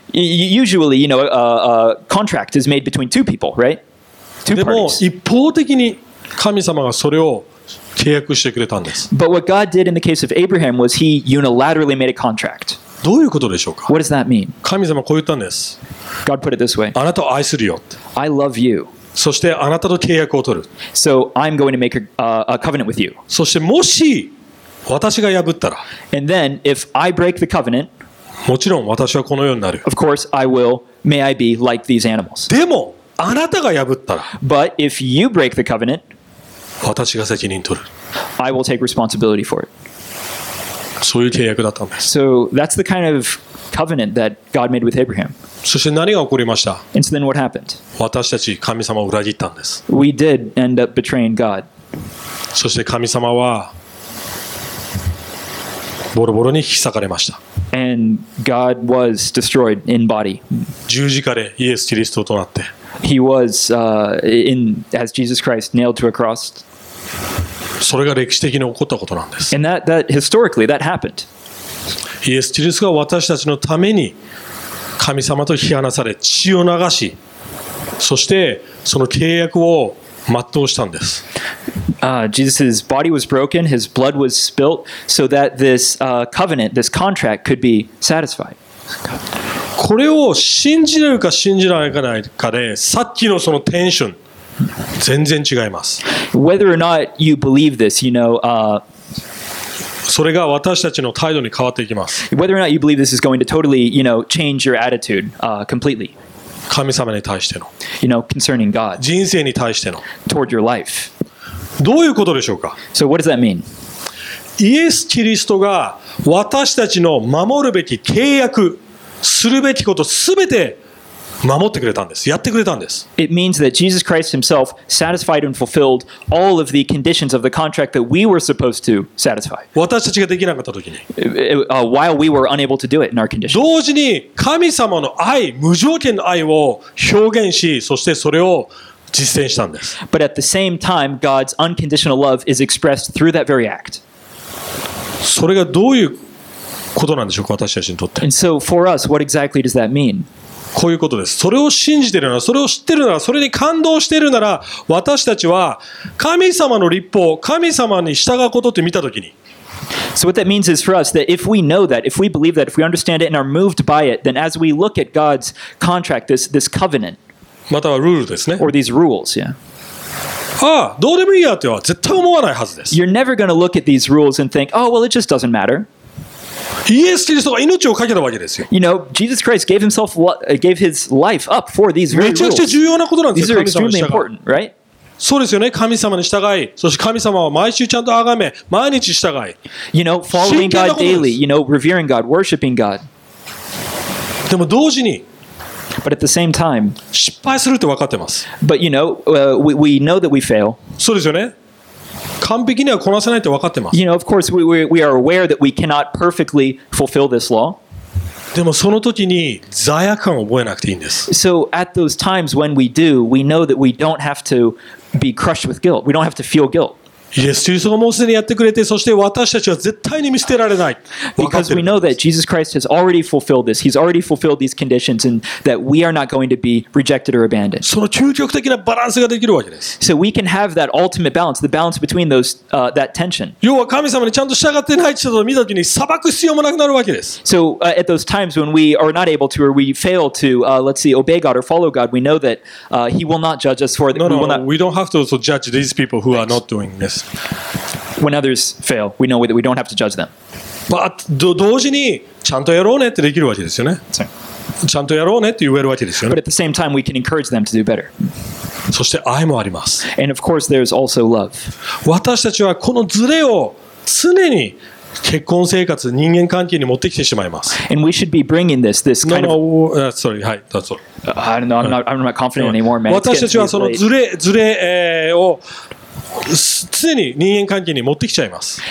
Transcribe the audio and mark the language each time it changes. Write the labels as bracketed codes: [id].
[en] Usually, you know, a contract is made between two people, right? [ja] でも一方的に神様がそれを契約してくれたんです。 [en] But what God did in the case of Abraham was he unilaterally made a contract. [ja] どういうことでしょうか？ [en] What does that mean? [ja] 神様こう言ったんです。 [en] God put it this way. [ja] あなたを愛するよ。 [en] I love you. [ja] そしてあなたと契約を取る。 [en] So I'm going to make a covenant with you. [ja] そしてもし私が破ったら。 [en] And then if I break the covenant, [ja] もちろん私はこのようになる。 [en] Of course I will. May I be like these animals. [ja] でもあなたが破ったら、 [en] But if you break the covenant, [ja] 私が責任取る。 [en] I will take responsibility for it. [ja] そういう契約だったんです。 [en] So that's the kind of covenant that God made with Abraham. [ja] そして何が起こりました？ [en] And so then what happened? [ja] 私たち神様を裏切ったんです。 [en] We did end up betraying God. [ja] そして神様はボロボロに引き裂かれました。 [en] And God was destroyed in body. [ja] 十字架でイエス・キリストとなって。 [en] He was, in, as Jesus Christ, nailed to a cross. [ja] それが歴史的に起こったことなんです。 [en] And that, that historically, that happened. [ja] イエス・キリストが私たちのために神様と引き離され、血を流し、そしてその契約を全うしたんです。 [en] Jesus' body was broken, his blood was spilt, so that this covenant, this contract could be satisfied. [ja] これを信じるか信じられないかで、さっきのそのテンション、全然違います。 [en] Whether or not you believe this, you know, [ja] それが私たちの態度に変わっていきます。 [en] Whether or not you believe this is going to totally, you know, change your attitude, completely. [ja] 神様に対しての、 [en] you know, concerning God. [ja] 人生に対しての、 [en] toward your life. [ja] どういうことでしょうか。 [en] So what does that mean? [ja] イエス・キリストが私たちの守るべき契約、するべきことすべて守ってくれたんです。やってくれたんです。 [en] It means that Jesus Christ himself satisfied and fulfilled all of the conditions of the contract that we were supposed to satisfy. [ja] 私たちができなかった時に、 [en] while we were unable to do it in our condition. [ja] 同時に神様の愛、無条件の愛を表現し、そしてそれを実践したんです。 [en] But at the same time, God's unconditional love is expressed through that very act. [ja] それがどういうことなんでしょうか、私たちにとって。 [en] And so for us, what exactly does that mean? [ja] こういうことです。それを信じているなら、それを知っているなら、それに感動しているなら、私たちは神様の律法、神様に従うことって見たときに。 [en] So what that means is for us that if we know that, if we believe that, if we understand it and are moved by it, then as we look at God's contract, this covenant, [ja] またはルールですね。 [en] Or these rules, yeah. [ja] ああどうでもいいやとは絶対思わないはずです。 [en] You're never going to look at these rules and think, oh, well, it just doesn't matter. [ja] イエス・キリストが命を懸けたわけですよ。 [en] You know, Jesus Christ gave himself, gave his life up for these very rules. [ja] めちゃくちゃ重要なことなんですよ。 [en] These are extremely important, right? [ja] そうですよね。神様に従い、そして神様は毎週ちゃんと崇め、毎日従い。 [en] You know, following God daily, you know, revering God, worshiping God. [ja] でも同時に、 [en] But at the same time, [ja] 失敗するって分かってます。 [en] But you know, we know that we fail. [ja] そうですよね。完璧にはこなせないって分かってます。 [en] You know, of course, we are aware that we cannot perfectly fulfill this law. [ja] でもその時に罪悪感を覚えなくていいんです。 [en] So at those times when we do, we know that we don't have to be crushed with guilt. We don't have to feel guilt. [ja] イエス・キリストがもうすでにやってくれて、そして私たちは絶対に見捨てられない。 [en] Because we know that Jesus Christ has already fulfilled this. He's already fulfilled these conditions and that we are not going to be rejected or abandoned. [ja] その究極的なバランスができるわけです。 [en] So we can have that ultimate balance, the balance between those, that tension. [ja] 要は神様にちゃんと従ってない人を見たときに裁く必要もなくなるわけです。 [en] So, at those times when we are not able to or we fail to, let's see, obey God or follow God, we know that, He will not judge us for it. No, we don't have to also judge these people who are not doing this. When others fail, we know that we don't have to judge them. [ja] But 同時にちゃんとやろうねってできるわけですよね。ちゃんとやろうねって言えるわけですよね。 [en] But at the same time, we can encourage them to do better. [ja] そして愛もあります。 [en] And of course, there's also love. [ja] 私たちはこのズレを常に結婚生活、人間関係に持ってきてしまいます。 [en] And we should be bringing this kind no, of. No, sorry. Hi, that's all. I don't know. I'm not confident anymore, man. [ja] 私たちはそのズレを常に人間関係に持ってきちゃいます。